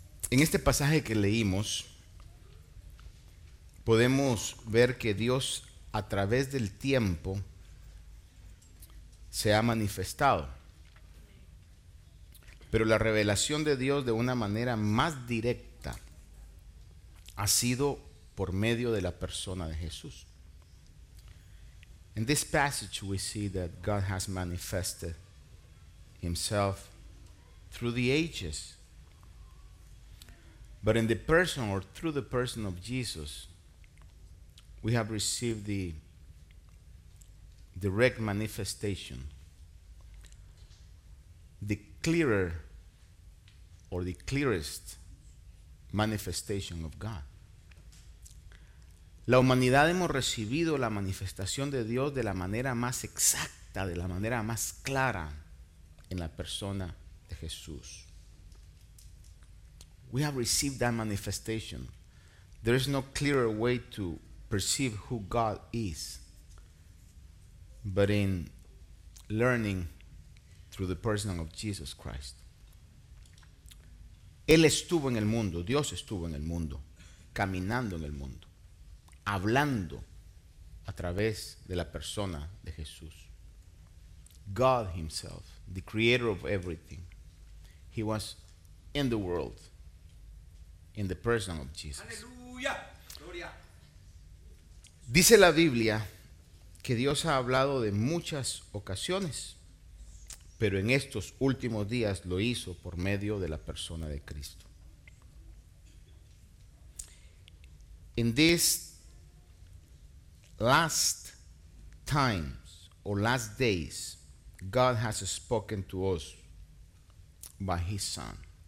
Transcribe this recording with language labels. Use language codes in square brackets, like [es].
[es] En este pasaje que leímos, podemos ver que Dios a través del tiempo se ha manifestado. Pero la revelación de Dios de una manera más directa ha sido por medio de la persona de Jesús. [en] In this passage we see that God has manifested himself through the ages. But in the person or through the person of Jesus, we have received the direct manifestation, the clearer or the clearest manifestation of God. [es] La humanidad hemos recibido la manifestación de Dios de la manera más exacta, de la manera más clara en la persona de Jesús. [en] We have received that manifestation. There is no clearer way to perceive who God is but in learning through the person of Jesus Christ. [es] Él estuvo en el mundo, Dios estuvo en el mundo, caminando en el mundo, hablando a través de la persona de Jesús. [en] God himself, the creator of everything, he was in the world in the person of Jesus. [es] Aleluya. Gloria. Dice la Biblia que Dios ha hablado de muchas ocasiones, pero en estos últimos días lo hizo por medio de la persona de Cristo. [en] In this last times or last days, God has spoken to us by his son.